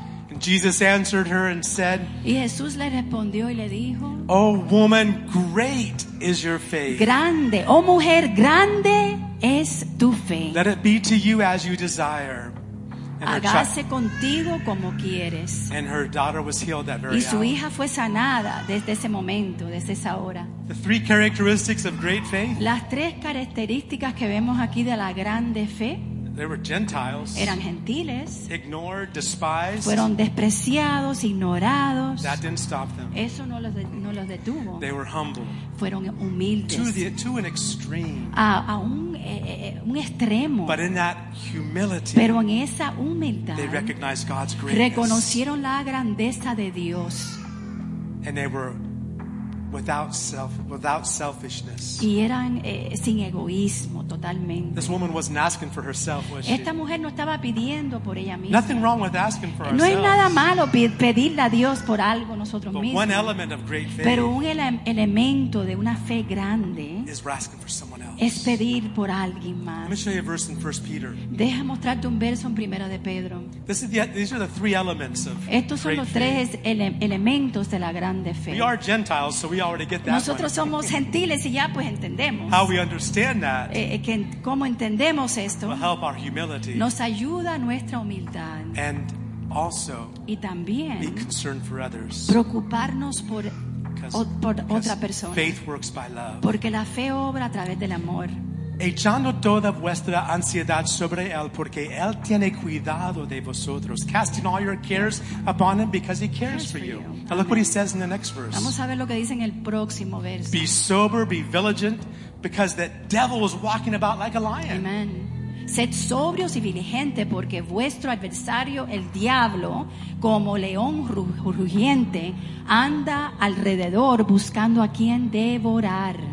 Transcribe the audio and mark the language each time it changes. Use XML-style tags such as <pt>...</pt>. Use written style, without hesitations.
<en>And Jesus answered her and said,</en> <es>y Jesús le respondió y le dijo,</es> <en>oh woman, great is your faith.</en> <es>Grande, oh mujer, grande es tu fe.</es> <en>Let it be to you as you desire.</en> <es>Hágase contigo como quieres.</es> <en>And her daughter was healed that very hour.</en> <es>Y su</es> <en>hour.</en> <es>Hija fue sanada desde ese momento, desde esa hora.</es> <en>The three characteristics of great faith.</en> <es>Las tres características que vemos aquí de la grande fe.</es> <en>They were Gentiles.</en> <es>Eran gentiles.</es> <en>Ignored, despised.</en> <es>Fueron despreciados, ignorados.</es> <en>That didn't stop them.</en> <es>Eso no los detuvo.</es> <en>They were humble.</en> <es>Fueron humildes.</es> <en>To an extreme.</en> <es>A un extremo.</es> <en>But in that humility.</en> <es>Pero en esa humildad.</es> <en>They recognized God's greatness.</en> <es>Reconocieron la grandeza de Dios.</es> <en>And they were without selfishness.</en> <es>Y eran sin egoísmo totalmente.</es> <en>This woman wasn't asking for herself, was she?</en> <es>Esta mujer no estaba pidiendo por ella misma.</es> <en>Nothing wrong with asking for ourselves.</en> <es>No hay nada malo pedirle a Dios por algo nosotros mismos.</es> <en>But one element of great faith.</en> <es>Pero un elemento de una fe grande</es> <en>is asking for someone else.</en> <es>Es pedir por alguien más.</es> <en>Let me show you a verse in 1 Peter.</en> <es>Deja mostrarte un verso en Primera de Pedro.</es> <en>These are the three elements of great faith.</en> <es>Estos son los tres elementos de la grande fe.</es> <en>We are Gentiles, so we already get that.</en> <es>Nosotros somos gentiles y ya pues entendemos.</es> <en>How we understand that.</en> <es>Cómo entendemos esto.</es> <en>Will help our humility.</en> <es>Nos ayuda nuestra humildad.</es> <en>And also.</en> <es>Y también.</es> <en>Be concerned for others.</en> <es>Preocuparnos por otra persona.</es> <en>Faith works by love.</en> <es>Porque la fe obra a través del amor. Echando toda vuestra ansiedad sobre él, porque él tiene cuidado de vosotros.</es> <en>Casting all your cares upon him because he cares for you. Now look what he says in the next verse.</en> <es>Vamos a ver lo que dice en el próximo verso.</es> <en>Be sober, be vigilant, because the devil is walking about like a lion. Amen.</en> <es>Sed sobrios y vigilantes, porque vuestro adversario, el diablo, como león rugiente, anda alrededor buscando a quien devorar.</es>